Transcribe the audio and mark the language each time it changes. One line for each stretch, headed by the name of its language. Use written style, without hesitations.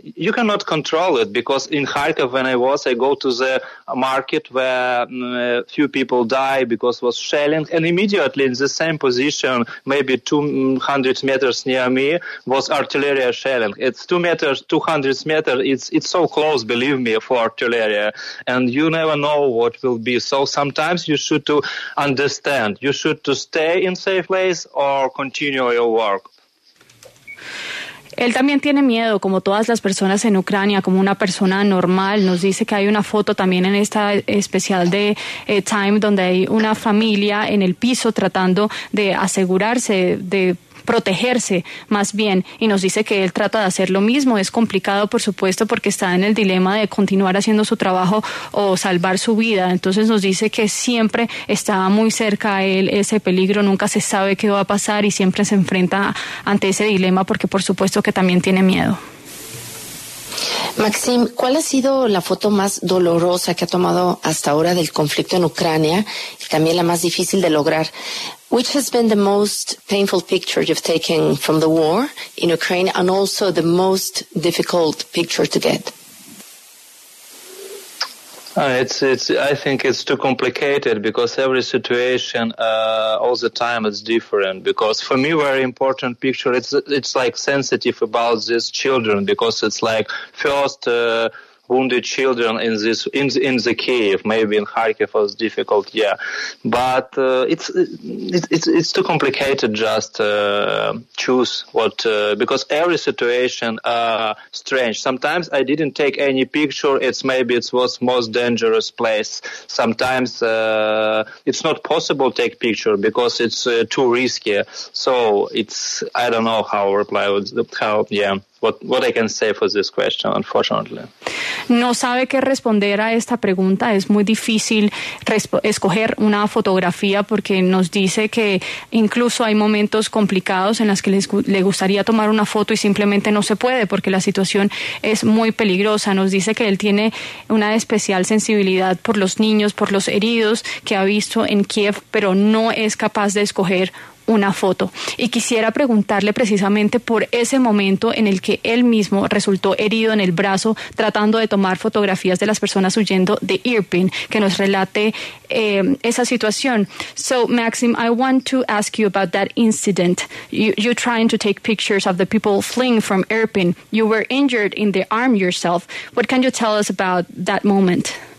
English: You cannot control it, because in Kharkiv, when I go to the market where few people die because was shelling, and immediately in the same position, maybe 200 meters near me, was artillery shelling. It's 2 meters, 200 meters. It's so close, believe me, for artillery. And you never know what will be. So sometimes you should to understand. You should to stay in safe place or continue your work.
Spanish: Él también tiene miedo, como todas las personas en Ucrania, como una persona normal. Nos dice que hay una foto también en esta especial de Time donde hay una familia en el piso tratando de asegurarse, de protegerse más bien, y nos dice que él trata de hacer lo mismo. Es complicado, por supuesto, porque está en el dilema de continuar haciendo su trabajo o salvar su vida. Entonces nos dice que siempre está muy cerca a él ese peligro, nunca se sabe qué va a pasar y siempre se enfrenta ante ese dilema, porque por supuesto que también tiene miedo. Maxim, ¿cuál ha sido la foto más dolorosa que ha tomado hasta ahora del conflicto en Ucrania y también la más difícil de lograr?
English: Which has been the most painful picture you've taken from the war in Ukraine and also the most difficult picture to get? I think it's too complicated because every situation all the time is different. Because for me, very important picture, it's like sensitive about these children because it's like first wounded children in the Kyiv, maybe in Kharkiv was difficult, yeah. But it's too complicated just choose what because every situation strange. Sometimes I didn't take any picture. It's maybe it was most dangerous place. Sometimes it's not possible take picture because it's too risky. So I don't know how reply what I can say for this question, unfortunately.
Spanish: No sabe qué responder a esta pregunta. Es muy difícil escoger una fotografía porque nos dice que incluso hay momentos complicados en los que le gustaría tomar una foto y simplemente no se puede porque la situación es muy peligrosa. Nos dice que él tiene una especial sensibilidad por los niños, por los heridos que ha visto en Kiev, pero no es capaz de escoger una foto. Y quisiera preguntarle precisamente por ese momento en el que él mismo resultó herido en el brazo tratando de tomar fotografías de las personas huyendo de Irpin, que nos relate esa situación.
English: So, Maxim, I want to ask you about that incident. You trying to take pictures of the people fleeing from Irpin. You were injured in the arm yourself. What can you tell us about that moment?